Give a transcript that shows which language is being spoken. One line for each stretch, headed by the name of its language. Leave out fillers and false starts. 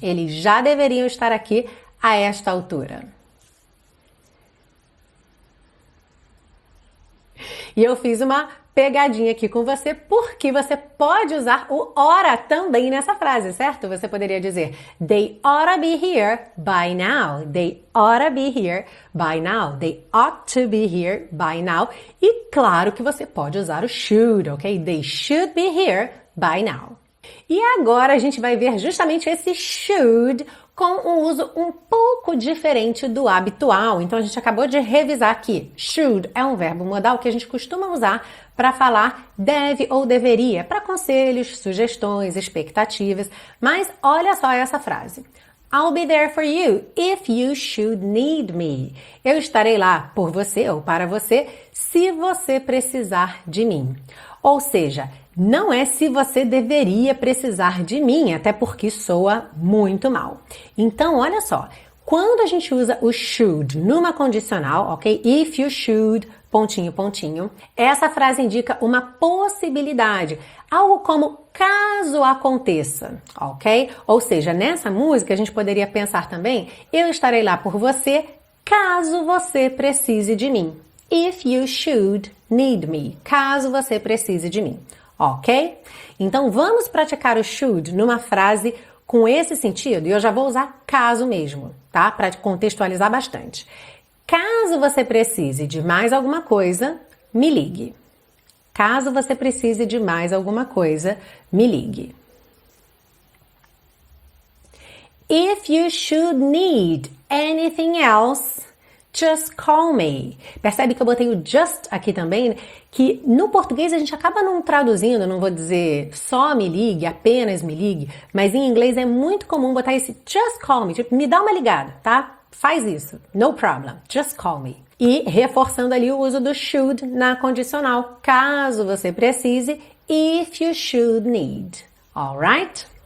Portuguese: Eles já deveriam estar aqui a esta altura. E eu fiz uma pegadinha aqui com você, porque você pode usar o ora também nessa frase, certo? Você poderia dizer,
English: they oughta be here by now. They oughta be here by now. They ought to be here by now.
Portuguese: E claro que você pode usar o should, ok?
English: They should be here by now.
Portuguese: E agora a gente vai ver justamente esse should com um uso um pouco diferente do habitual. Então a gente acabou de revisar que should é um verbo modal que a gente costuma usar para falar deve ou deveria, para conselhos, sugestões, expectativas. Mas olha só essa frase.
English: I'll be there for you if you should need me.
Portuguese: Eu estarei lá por você ou para você se você precisar de mim. Ou seja, não é se você deveria precisar de mim, até porque soa muito mal. Então, olha só, quando a gente usa o should numa condicional, ok? If you should, pontinho, pontinho, essa frase indica uma possibilidade, algo como caso aconteça, ok? Ou seja, nessa música a gente poderia pensar também, eu estarei lá por você caso você precise de mim.
English: If you should need me,
Portuguese: caso você precise de mim. Ok? Então vamos praticar o should numa frase com esse sentido, e eu já vou usar caso mesmo, tá? Para contextualizar bastante. Caso você precise de mais alguma coisa, me ligue. Caso você precise de mais alguma coisa, me ligue.
English: If you should need anything else, just call me.
Portuguese: Percebe que eu botei o just aqui também, que no português a gente acaba não traduzindo, não vou dizer só me ligue, apenas me ligue, mas em inglês é muito comum botar esse just call me, tipo, me dá uma ligada, tá? Faz isso.
English: No problem. Just call me.
Portuguese: E reforçando ali o uso do should na condicional, caso você precise,
English: if you should need. Alright?